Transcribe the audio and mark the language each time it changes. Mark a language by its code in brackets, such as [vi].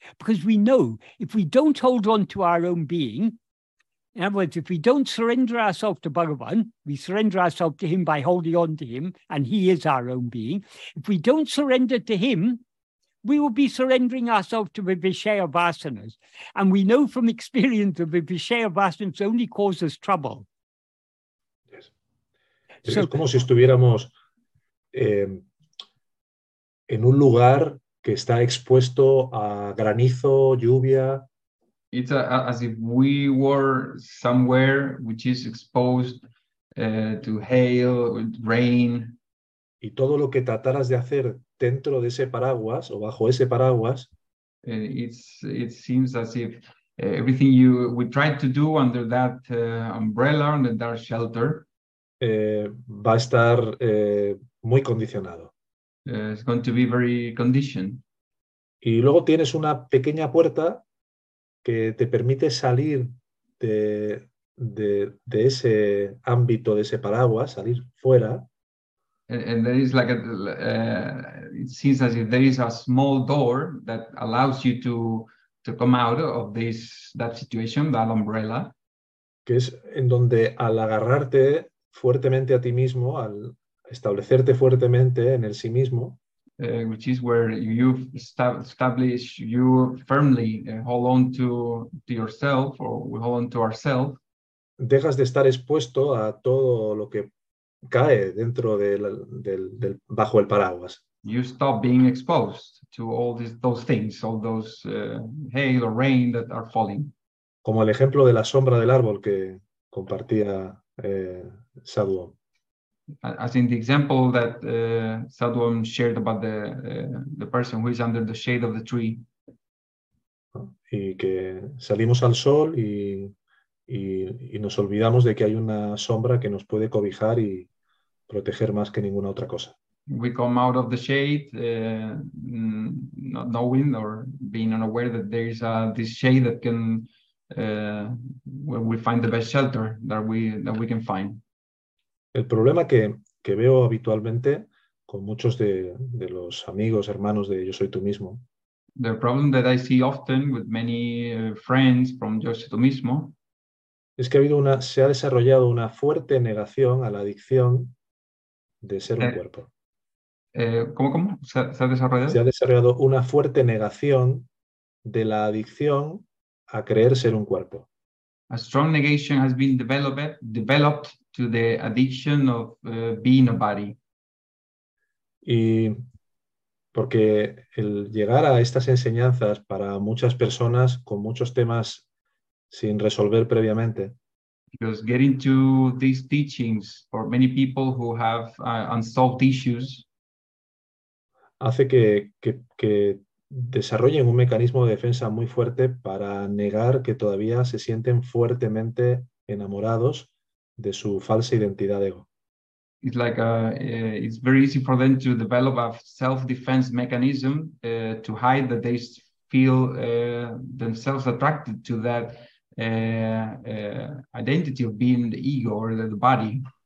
[en] Because we know if we don't hold on to our own being, in other words, if we don't surrender ourselves to Bhagavan, we surrender ourselves to him by holding on to him, and he is our own being. If we don't surrender to him, we will be surrendering ourselves to the Vishaya Vasanas. And we know from experience that the Vishaya Vasanas only causes trouble. Yes. [es] So, es como si estuviéramos en un lugar que está expuesto a granizo, lluvia. [en] It's as if we were somewhere which is exposed to hail, rain. [es] Y todo lo que trataras de hacer dentro de ese paraguas o bajo ese paraguas, [en] it seems as if everything you we tried to do under that umbrella, under that shelter, [es] va a estar muy condicionado. [en] It's going to be very conditioned. [es] Y luego tienes una pequeña puerta que te permite salir de ese ámbito, de ese paraguas, salir fuera. [en] And there is like it seems as if there is a small door that allows you to come out of this that situation, that umbrella. [es] Que es en donde al agarrarte fuertemente a ti mismo, al establecerte fuertemente en el sí mismo. [en] Which is where you establish you firmly, hold on to yourself, or we hold on to ourselves. [es] Dejas de estar expuesto a todo lo que cae dentro del bajo el paraguas. [en] You stop being exposed to all those things, all those hail or rain that are falling. [es] Como el ejemplo de la sombra del árbol que compartía Saduam. [en] As in the example that Saduam shared about the person who is under the shade of the tree. [es] Y que salimos al sol y nos olvidamos de que hay una sombra que nos puede cobijar y proteger más que ninguna otra cosa. [en] We come out of the shade, not knowing or being unaware that there is this shade that can where we find the best shelter that we can find. [es] El problema que veo habitualmente con muchos de los amigos, hermanos de Yo Soy Tú Mismo. [en] The problem that I see often with many friends from Yo Soy Tú Mismo [es] es que se ha desarrollado una fuerte negación a la adicción de ser un cuerpo. ¿Cómo? ¿Se ha desarrollado? Se ha desarrollado una fuerte negación de la adicción a creer ser un cuerpo. [en] A strong negation has been developed to the addiction of being a body. [es] Y porque el llegar a estas enseñanzas para muchas personas con muchos temas sin resolver previamente. [en] Because getting to these teachings for many people who have unsolved issues [es] hace que desarrollen un mecanismo de defensa muy fuerte para negar que todavía se sienten fuertemente enamorados de su falsa identidad ego. [en] It's like it's very easy for them to develop a self-defense mechanism to hide that they feel themselves attracted to that identity of being the ego or the body.